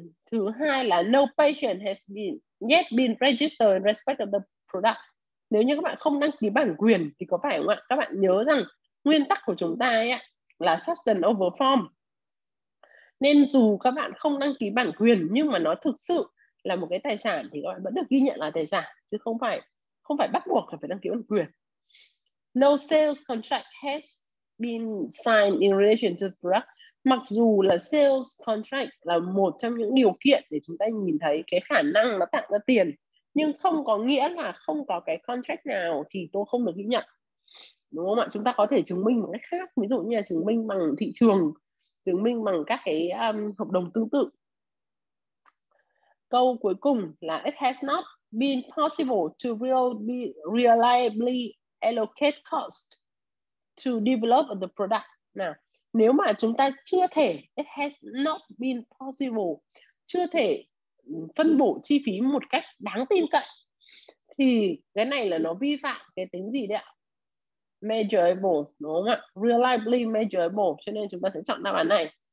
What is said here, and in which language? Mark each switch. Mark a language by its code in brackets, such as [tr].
[vi] Thứ hai là [en] no patient has been yet been registered in respect of the product. [vi] Nếu như các bạn không đăng ký bản quyền thì có phải không ạ? Các bạn nhớ rằng nguyên tắc của chúng ta ấy là substance over form. Nên dù các bạn không đăng ký bản quyền nhưng mà nó thực sự là một cái tài sản thì các bạn vẫn được ghi nhận là tài sản, chứ không phải bắt buộc phải đăng ký bản quyền. [en] No sales contract has been signed in relation to the product. [vi] Mặc dù là sales contract là một trong những điều kiện để chúng ta nhìn thấy cái khả năng nó tặng ra tiền, nhưng không có nghĩa là không có cái contract nào thì tôi không được ghi nhận. Đúng không ạ? Chúng ta có thể chứng minh một cách khác, ví dụ như là chứng minh bằng thị trường, chứng minh bằng các cái hợp đồng tương tự. Câu cuối cùng là [en] it has not been possible to reliably allocate cost to develop the product. [vi] Nào, nếu mà chúng ta chưa thể, [en] it has not been possible, [vi] chưa thể phân bổ chi phí một cách đáng tin cậy, thì cái này là nó vi phạm cái tính gì đấy ạ? Measurable, đúng không ạ? Reliably measurable, cho nên chúng ta sẽ chọn đáp án này.